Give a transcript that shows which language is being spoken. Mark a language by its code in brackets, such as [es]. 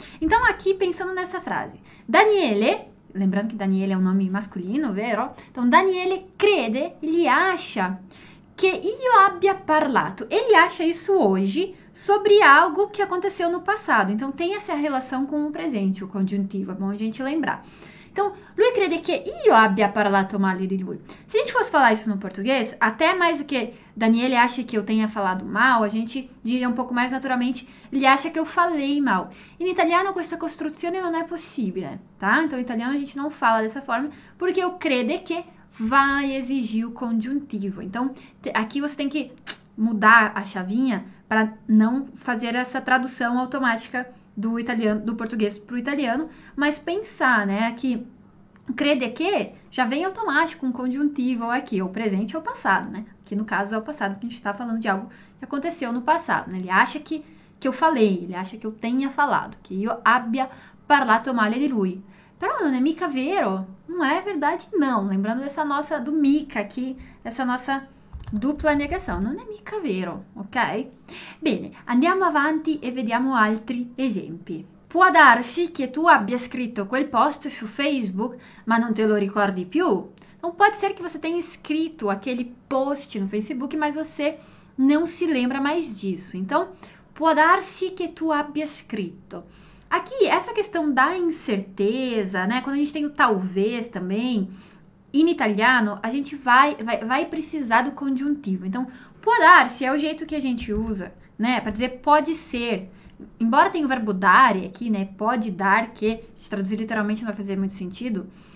[pt] Então, aqui, pensando nessa frase. Daniele, lembrando que Daniele é um nome masculino, [it] vero? [pt] Então, Daniele [it] crede, [pt] ele acha que [it] io abbia parlato. [pt] Ele acha isso hoje sobre algo que aconteceu no passado. Então, tem essa relação com o presente, o congiuntivo. É bom a gente lembrar. [it] Então, lui crede que io abbia parlato male di lui. [pt] Se a gente fosse falar isso no português, até mais do que Daniele acha que eu tenha falado mal, a gente diria um pouco mais naturalmente, ele acha que eu falei mal. Em italiano, [it] questa costruzione non è possibile, [pt] tá? Então, em italiano, a gente não fala dessa forma, porque o crede que vai exigir o congiuntivo. Então, aqui você tem que mudar a chavinha para não fazer essa tradução automática do italiano, do português para o italiano, mas pensar, né, que crede que já vem automático um congiuntivo aqui, ou presente ou passado, né? Que no caso é o passado, que a gente está falando de algo que aconteceu no passado, né? Ele acha que eu falei, ele acha que eu tenha falado, que eu [it] abbia parlato male di lui. Però non è mica vero, [pt] não é verdade não. Lembrando dessa nossa, do mica aqui, essa nossa dupla negação, [it] non è mica vero, [pt] ok? [it] Bene, andiamo avanti e vediamo altri esempi. Può darsi che tu abbia scritto quel post su Facebook, ma non te lo ricordi più. [pt] Non pode ser que você tenha escrito aquele post no Facebook, mas você não se lembra mais disso. Então, [it] può darsi che tu abbia scritto. [pt] Aqui, essa questão da incerteza, né? Quando a gente tem o talvez também, [it] In italiano [pt] a gente vai precisar do conjuntivo. Então, [it] può darsi [pt] é o jeito que a gente usa, né? Para dizer pode ser. Embora tenha o verbo dare aqui, né? Pode dar, que se traduzir literalmente não vai fazer muito sentido.